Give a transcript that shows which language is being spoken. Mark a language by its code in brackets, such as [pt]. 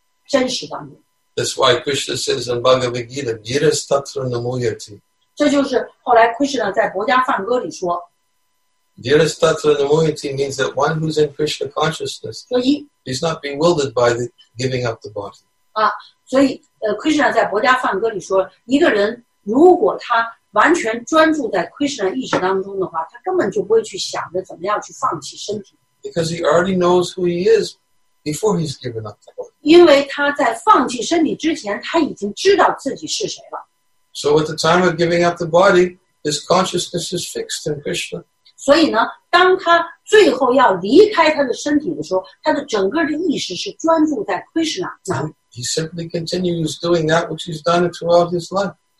[zh] 但是他们的心已经完全固定在了超然的真实当中。 [en] That's why Krishna says in Bhagavad Gita, [sa] "Giras tatra namuyati." [zh] 这就是后来 Krishna 在《薄伽梵歌》里说 [sa] "Giras tatra namuyati" [en] means that one who's in Krishna consciousness, he's not bewildered by the giving up the body. [zh] 所以 Krishna 在《薄伽梵歌》里说，一个人如果他 完全专注在 Krishna 意识当中的话，他根本就不会去想着怎么样去放弃身体。 [en] Because he already knows who he is before he's given up the body. [zh] 因为他在放弃身体之前，他已经知道自己是谁了。 [en] So at the time of giving up the body, his consciousness is fixed in Krishna. [zh] 所以呢，当他最后要离开他的身体的时候，他的整个的意识是专注在 Krishna. [en] He simply continues doing that which he's done throughout his life.